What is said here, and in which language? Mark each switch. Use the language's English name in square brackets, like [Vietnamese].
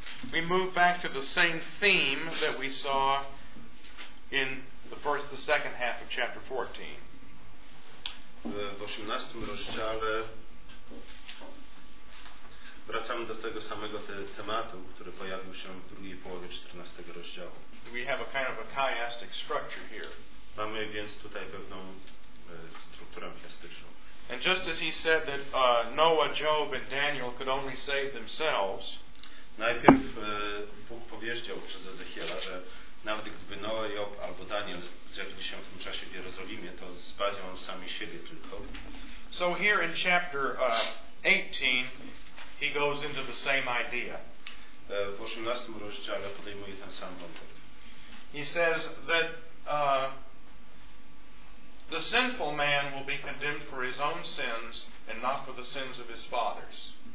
[English] we move back to the same theme that we saw in the second half of chapter 14. [Polish] W 18 rozdziale wracamy do tego samego tematu, który pojawił się w drugiej połowie 14 rozdziału. [English] We have a kind of a chiastic structure here. [Polish] Mamy więc tutaj pewną strukturę chiastyczną. [English] And just as he said that Noah, Job and Daniel could only save themselves. [Polish] Najpierw Bóg powiedział przez Ezechiela, że nawet gdyby Noah, Job albo Daniel zjawili się w tym czasie w Jerozolimie, to zbawią sami siebie tylko. [English] So here in chapter 18 he goes into the same idea. [Polish] W 18 rozdziale podejmuje ten sam wątek. [English] He says that the sinful man will be condemned for his own sins and not for the sins of his fathers.